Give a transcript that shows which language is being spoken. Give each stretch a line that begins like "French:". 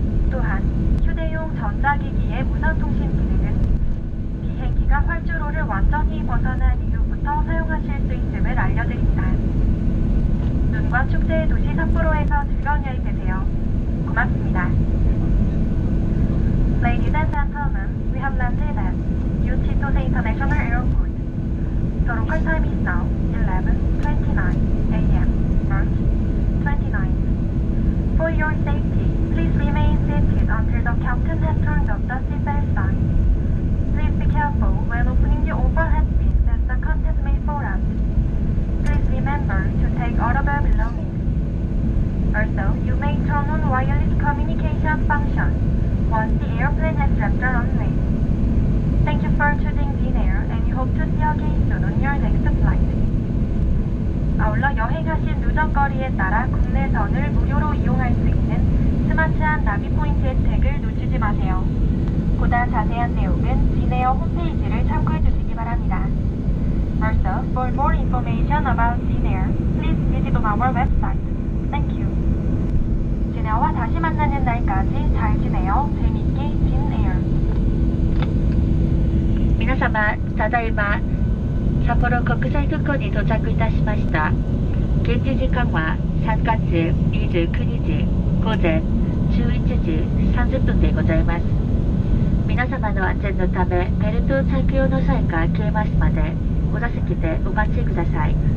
Korean: 또한 휴대용 전자기기의 무선통신 기능은 비행기가 활주로를 완전히 벗어난 이후부터 사용하실 수 있음을 알려드립니다. 눈과 축제의 도시 삿포로에서 즐거운 여행 되세요. 고맙습니다.
English: Ladies and gentlemen, we have landed at Yoshitose International Airport. The local time is now 11:29 a.m. March 29th. For your safety, please remain seated until the captain has turned off the seatbelt sign. Please be careful when opening the overhead bins as the contents may fall out. Please remember to take all of your belongings. Also, you may turn on wireless communication function once the airplane has left the runway. Thank you for choosing VinAir and you hope to see you again soon on your next flight.
Korean: 아울러 여행하신 누적거리에 따라 국내선을 무료로 이용할 수 있는 스마트한 나비 포인트 혜택을 놓치지 마세요. 보다 자세한 내용은 VinAir 홈페이지를 참고해주시기 바랍니다.
English: Also, for more information about VinAir, please visit our website. Thank you.
Korean: 진에어와 다시 만나는 날까지 잘 지내요. 재밌게 VinAir.
Japanese: 皆様、ただいま札幌国際空港に到着いたしました。現地時間は3月29日午前11時30分でございます。皆様の安全のためベルト着用の際が消えますまでお座席でお待ちください。